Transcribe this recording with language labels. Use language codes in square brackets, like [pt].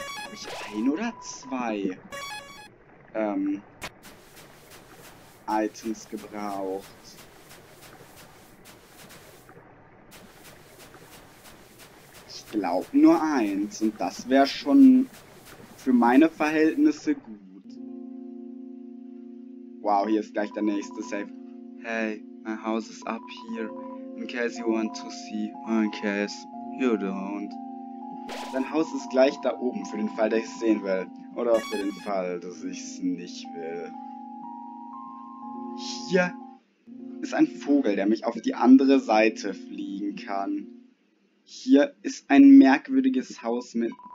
[de] Habe ich ein oder zwei Items gebraucht? Glaub nur eins, und das wäre schon für meine Verhältnisse gut. Wow, hier ist gleich der nächste Safe. [en] Hey, my house is up here, in case you want to see, or in case you don't. [de] Dein Haus ist gleich da oben, für den Fall, dass ich es sehen will. Oder auch für den Fall, dass ich es nicht will. Hier ist ein Vogel, der mich auf die andere Seite fliegen kann. Hier ist ein merkwürdiges Haus mit...